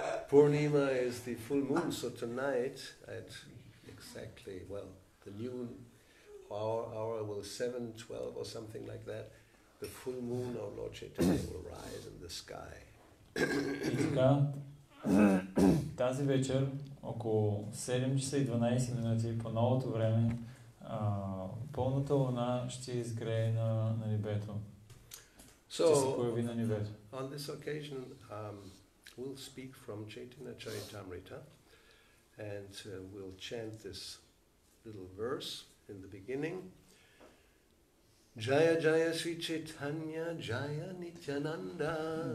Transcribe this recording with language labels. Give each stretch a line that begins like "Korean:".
English: Purnima is the full moon, so tonight at exactly, well, the new hour will 7:12 or something like that, the full moon of Lord Chaitanya will rise in the sky.
Bulgarian: И така, тази вечер, около 7 часа и 12 минути по новото време, пълната луна ще изгрее на небето.
English: So,
Bulgarian: ще се появи на небето.
English: On this occasion, we'll speak from Chaitanya Charitamrita and we'll chant this little verse in the beginning.
Sanskrit: Jaya Jaya Sri Chaitanya Jaya Nityananda.